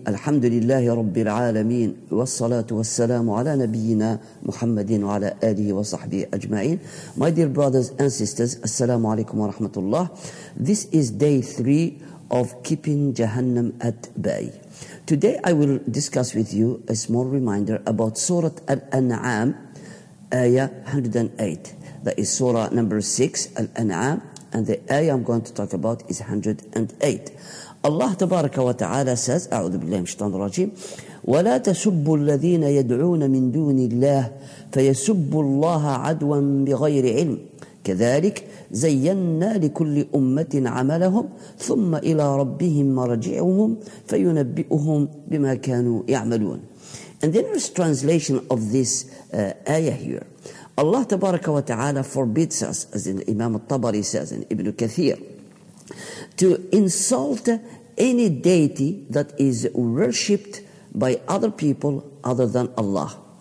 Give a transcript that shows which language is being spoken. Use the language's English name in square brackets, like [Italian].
[Arabic] الحمد لله رب العالمين، والصلاة والسلام على نبينا محمد وعلى آله وصحبه أجمعين. [English] My dear brothers and sisters, [Arabic] السلام عليكم ورحمة الله. [English] This is day 3 of keeping Jahannam at bay. Today I will discuss with you a small reminder about Surah Al-An'am, Ayah 108. That is Surah number 6, Al-An'am, and the Ayah I'm going to talk about is 108. [Arabic] الله تبارك وتعالى [English] says, [Arabic] أعوذ بالله من الشيطان الرجيم، ولا تسبوا الذين يدعون من دون الله فيسبوا الله عدوا بغير علم، كذلك زينا لكل أمة عملهم ثم إلى ربهم مرجعهم فينبئهم بما كانوا يعملون. [English] And then there's translation of this ayah here. [Arabic] الله تبارك وتعالى [English] forbids us, as in Imam al-Tabari says in Ibn Kathir, to insult any deity that is worshipped by other people other than Allah.